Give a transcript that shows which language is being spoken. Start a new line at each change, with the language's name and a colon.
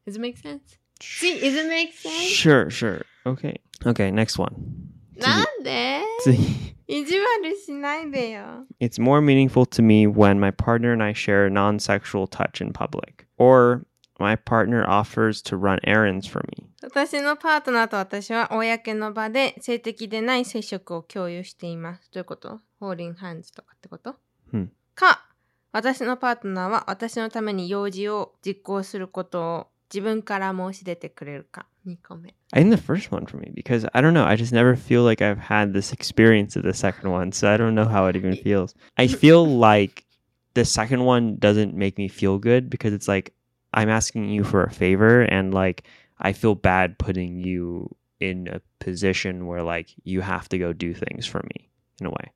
English: Does it make sense? See, does it make sense? Sure. Okay, next one.
Japanese: Nande?
English: It's more meaningful to me when my partner and I share a non-sexual touch in public. Or my partner offers to run errands for me.
Japanese: 私のパートナーと私は公の場で性的でない接触を共有しています。どういうこと?
English: Holding hands
Japanese: とかってこと? か、私のパートナーは私のために用事を実行することを自分から申し出てくれるか。
English: I think the first one for me, because I don't know, I just never feel like I've had this experience of the second one, so I don't know how it even feels. I feel like the second one doesn't make me feel good, because it's like, I'm asking you for a favor, and like, I feel bad putting you in a position where like, you have to go do things for me, in a way.